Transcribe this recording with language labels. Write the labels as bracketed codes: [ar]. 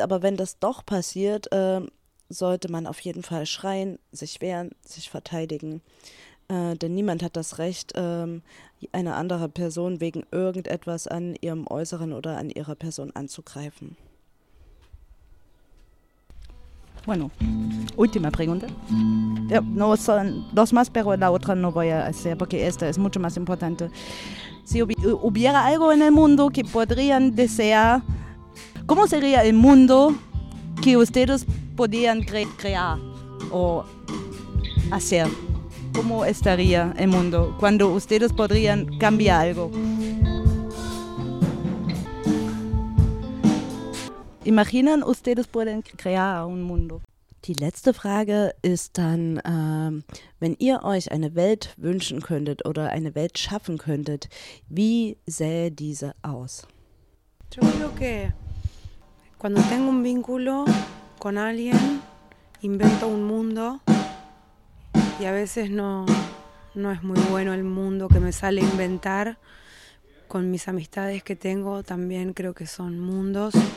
[de] Aber wenn das doch passiert, sollte man auf jeden Fall schreien, sich wehren, sich verteidigen. Denn niemand hat das Recht, eine andere Person wegen irgendetwas an ihrem Äußeren oder an ihrer Person anzugreifen. [es] Bueno, última pregunta. Ja, no son dos más, pero la otra no voy a hacer, porque esta es mucho más importante. Si hubiera algo en el mundo que podrían desear, ¿cómo sería el mundo que ustedes podrían crear o hacer? ¿Cómo estaría el mundo cuando ustedes podrían cambiar algo? Imaginen, ustedes pueden crear un mundo. [de] Die letzte Frage ist dann, wenn ihr euch eine Welt wünschen könntet oder eine Welt schaffen könntet, wie sähe diese aus? [es] Yo creo que cuando tengo un vínculo con alguien, invento un mundo y a veces no es muy bueno el mundo que me sale inventar. Con mis amistades que tengo también creo que son mundos.